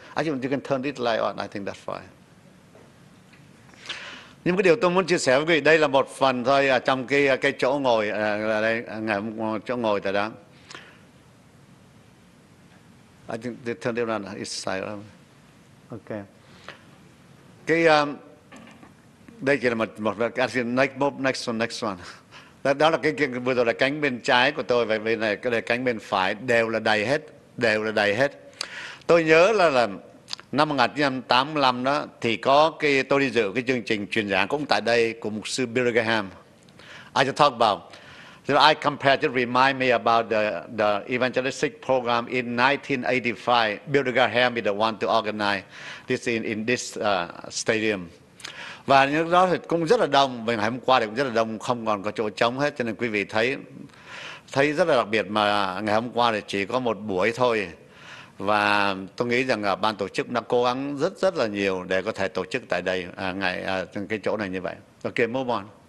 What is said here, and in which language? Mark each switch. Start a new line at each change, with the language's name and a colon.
English: Actually, you can turn this light on, I think that's fine.
Vietnamese: Nhưng cái điều tôi muốn chia sẻ với quý vị, đây là một phần thôi trong cái chỗ ngồi là đây ngày hôm qua, chỗ ngồi tại đó.
English: I think they turned it around. It's silent. Okay.
Vietnamese: Cái đây chỉ là một cái
English: next one.
Vietnamese: Đó là cái vừa rồi là cánh bên trái của tôi, và bên này cái cánh bên phải đều là đầy hết. Tôi nhớ là năm 1985 đó thì có cái tôi đi dự cái chương trình truyền giảng cũng tại đây của mục sư Billy Graham.
English: I just talk about. So I compare, just remind me about the evangelistic program in 1985. Billy Graham is the one to organize this in this stadium.
Vietnamese: Và những đó thì cũng rất là đông, và ngày hôm qua thì cũng rất là đông, không còn có chỗ trống hết. Cho nên quý vị thấy rất là đặc biệt mà ngày hôm qua thì chỉ có một buổi thôi. Và tôi nghĩ rằng ban tổ chức đã cố gắng rất rất là nhiều để có thể tổ chức tại đây, cái chỗ này như vậy.
English: Ok, move on.